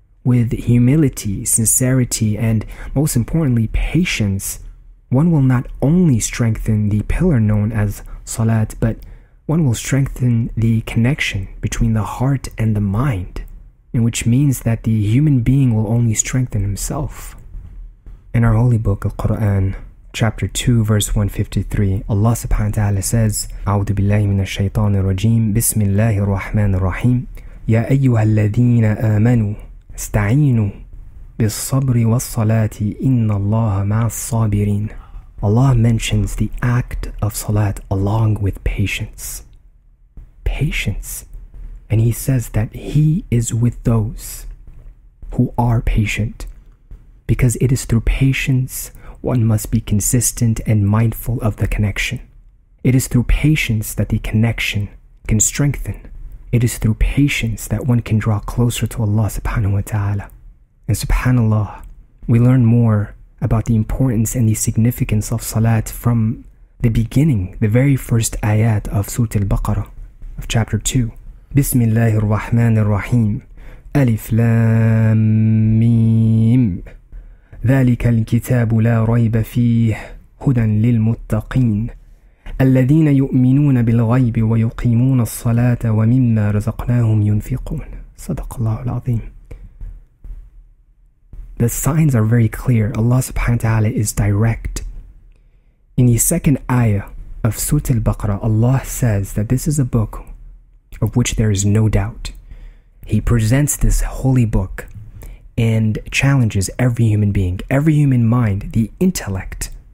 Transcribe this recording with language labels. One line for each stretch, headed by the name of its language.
English: with humility, sincerity, and most importantly, patience, one will not only strengthen the pillar known as Salat, but one will strengthen the connection between the heart and the mind, and which means that the human being will only strengthen himself. In our holy book, Al-Quran, chapter 2, verse 153, Allah subhanahu wa ta'ala says,
Arabic: أعوذ بالله من الشيطان الرجيم بسم الله الرحمن الرحيم يا أيها الذين آمنوا استعينوا بالصبر والصلاة إن الله مع الصابرين.
English: Allah mentions the act of salat along with patience. Patience. And He says that He is with those who are patient. Because it is through patience one must be consistent and mindful of the connection. It is through patience that the connection can strengthen. It is through patience that one can draw closer to Allah subhanahu wa ta'ala. And subhanallah, we learn more about the importance and the significance of salat from the beginning, the very first ayat of Surah Al-Baqarah, of chapter 2. Bismillah ar-Rahman ar-Rahim. Alif Lam Mim.
Arabic: ذلك الكتاب لا ريب فيه هدى للمتقين الذين يؤمنون بالغيب ويقيمون الصلاة ومما رزقناهم ينفقون صدق الله العظيم.
English: The signs are very clear. Allah subhanahu wa ta'ala is direct. In the second ayah of Surah Al-Baqarah, Allah says that this is a book of which there is no doubt. He presents this holy book and challenges every human being, every human mind, the intellect.